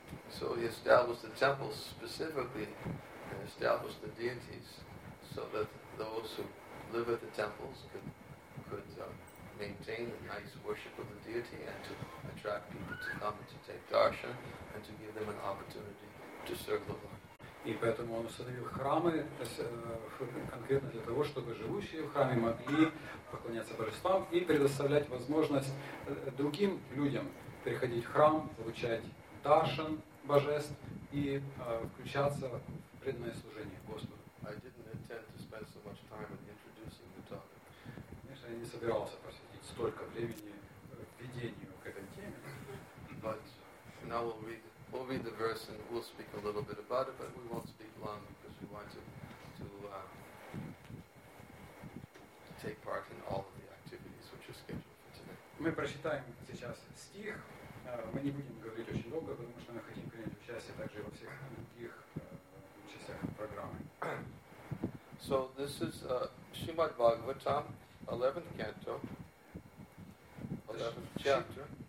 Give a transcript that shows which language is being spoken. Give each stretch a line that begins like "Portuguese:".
English: So he established the temples specifically and established the deities so that those who live at the temples could maintain the nice worship of the deity and to attract people to come and to take darshan and to give them an opportunity to serve the Lord.
Russian: И поэтому он установил храмы конкретно для того, чтобы живущие в храме могли поклоняться божествам и предоставлять возможность другим людям приходить в храм, получать даршан божеств и включаться в преданное служение Господу.
English: I didn't intend to spend so much time in introducing the topic.
Russian: Конечно, я не собирался посвятить столько времени введению к этой теме.
English: But now we'll read the verse and we'll speak a little bit about it, but we won't speak long because we want to take part in all of the activities which are scheduled for today.
Russian: Мы прочитаем сейчас стих. Мы не будем говорить очень долго, потому что мы хотим принять участие также во всех других частях программы.
English: So this is Srimad Bhagavatam, 11th canto. 11th chapter.